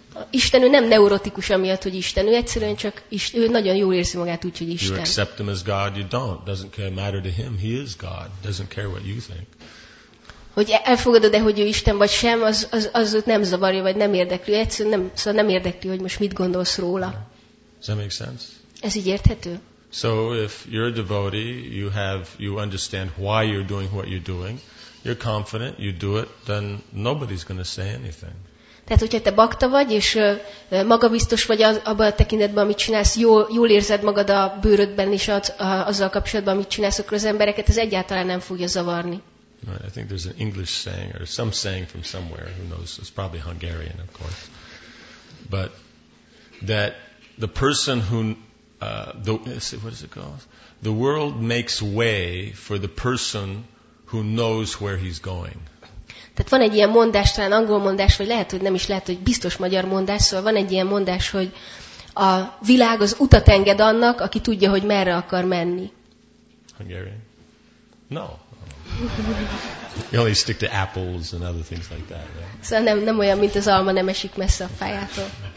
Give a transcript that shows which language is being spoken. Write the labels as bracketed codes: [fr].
[hu] Isten, ő nem neurotikus amiatt, hogy Isten. Ő egyszerűen csak Isten, ő nagyon jól érzi magát úgy, hogy Isten. [en] You accept him as God, you don't. Doesn't care, matter to him. He is God. Doesn't care what you think. [hu] Hogy elfogadod-e, hogy ő Isten vagy sem, az őt nem zavarja, vagy nem érdekli. Egyszerűen nem, szóval nem érdekli, hogy most mit gondolsz róla. [en] Does that make sense? [hu] Ez így érthető? [en] So if you're a devotee, you understand why you're doing what you're doing, you're confident, you do it, then nobody's going to say anything. [hu] Tehát, hogyha te bakta vagy, és magabiztos vagy abban a tekintetben, amit csinálsz, jól érzed magad a bőrödben is azzal kapcsolatban, amit csinálsz, akkor az embereket ez egyáltalán nem fogja zavarni. [en] Right, I think there's an English saying, or some saying from somewhere, who knows, it's probably Hungarian, of course. But that the person who... what is it called? The world makes way for the person who knows where he's going. [hu] Tehát van egy ilyen mondás, talán angol mondás, vagy lehet, hogy nem is lehet, hogy biztos magyar mondás, szóval van egy ilyen mondás, hogy a világ az utat enged annak, aki tudja, hogy merre akar menni. [en] Hungarian? No. You only stick to apples and other things like that. Right? [hu] Szóval nem olyan, mint az alma, nem esik messze a fájától.